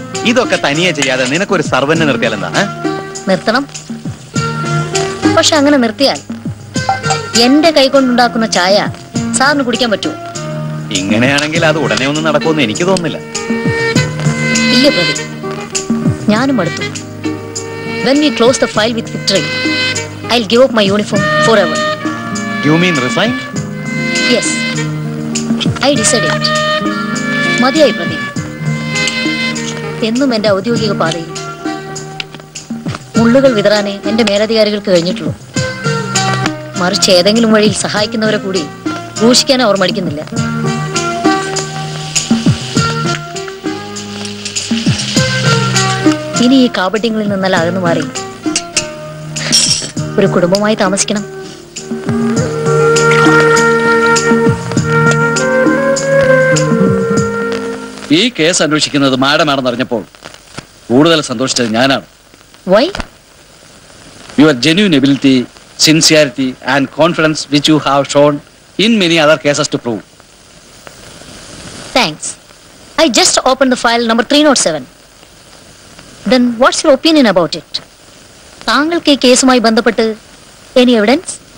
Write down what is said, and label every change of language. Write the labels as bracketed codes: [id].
[ml] ഇതൊക്കെ തനിയെ ചെയ്യാതെ നിനക്കൊരു സർവന്റെ നിർത്തിയാൽ എന്താ? നിർത്തണം, പക്ഷെ അങ്ങനെ നിർത്തിയാൽ എന്റെ കൈകൊണ്ടുണ്ടാക്കുന്ന ചായ സാറിന് കുടിക്കാൻ പറ്റുമോ? ഇങ്ങനെയാണെങ്കിൽ അത് ഉടനെ ഒന്നും നടക്കുമെന്ന് എനിക്ക് തോന്നുന്നില്ല. ഇല്ല ബ്രദർ, ഞാനും എടുത്തു. [en] When we close the file with victory, I'll give up my uniform forever. You mean resign? Yes, I decided. [ml] മതിയായി പ്രതി, എന്നും എന്റെ ഔദ്യോഗിക പാതയിൽ മുള്ളുകൾ വിതറാനേ എന്റെ മേലധികാരികൾക്ക് കഴിഞ്ഞിട്ടുള്ളൂ. മറിച്ച് ഏതെങ്കിലും വഴിയിൽ സഹായിക്കുന്നവരെ കൂടി ഘോഷിക്കാൻ അവർ മടിക്കുന്നില്ല. ഇനി ഈ കാപട്യങ്ങളിൽ നിന്നല്ല അകന്നു മാറി ഒരു കുടുംബമായി താമസിക്കണം. ഈ കേസ് അന്വേഷിക്കുന്നത് മാഡമാണെന്നറിഞ്ഞപ്പോൾ കൂടുതൽ സന്തോഷിച്ചത് ഞാനാണ്. [en] Why? Your genuine ability, sincerity and confidence which you have shown in many other cases to prove. Thanks. I just opened the file number 307. Then what's your opinion about it? [ml] താങ്കൾക്ക് ഈ കേസുമായി ബന്ധപ്പെട്ട് [en] any evidence?